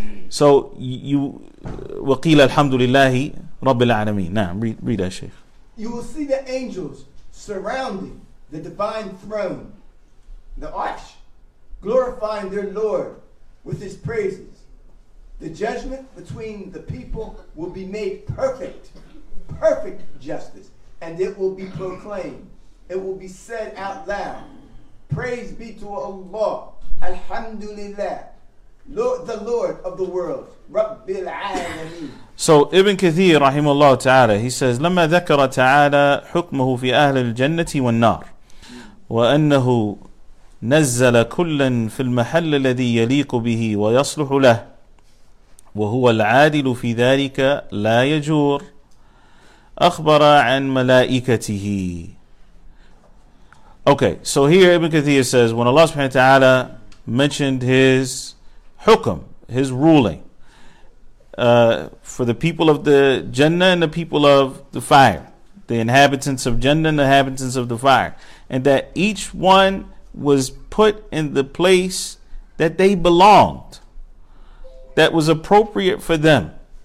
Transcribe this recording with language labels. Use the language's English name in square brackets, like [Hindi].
[English] So you [Arabic] وَقِيلَ الْحَمْدُ لِلَّهِ رَبِّ الْعَالَمِينَ. [English] Now read that, Shaykh. You will see the angels surrounding the divine throne, the arch, glorifying their Lord with his praises. The judgment between the people will be made perfect justice, and it will be proclaimed. It will be said out loud. Praise be to Allah, Alhamdulillah, Lord, the Lord of the world, Rabbil Alameen. So Ibn Kathir, rahimahullah ta'ala, he says, [Arabic] لما ذكر تعالى حكمه في أهل الجنة والنار وأنه نزل كلا في المحل الذي يليق به ويصلح له وهو العادل في ذلك لا يجور أخبر عن ملائكته. [English] Okay, so here Ibn Kathir says, when Allah subhanahu wa ta'ala mentioned his hukum, his ruling, for the people of the Jannah and the people of the fire, the inhabitants of Jannah and the inhabitants of the fire, and that each one was put in the place that they belonged, that was appropriate for them.